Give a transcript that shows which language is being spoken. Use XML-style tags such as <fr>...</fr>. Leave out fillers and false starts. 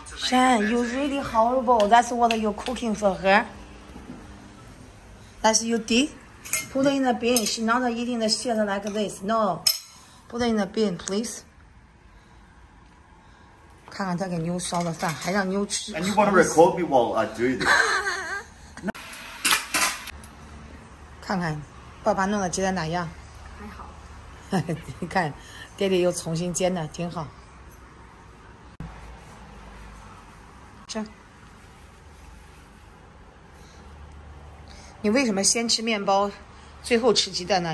<en>Shan, you really horrible. That's what you're cooking for her. That's you did. Put it in the bin. She's not eating the shit like this. No. Put it in the bin, please.</en> <zh>看看她给妞烧的饭，还让妞吃。</zh> <en>And you want to record me while I do this?</en> <zh>看看爸爸弄的鸡蛋哪样？还好。你看，爹爹又重新煎的，挺好。这，你为什么先吃面包，最后吃鸡蛋呢？</zh>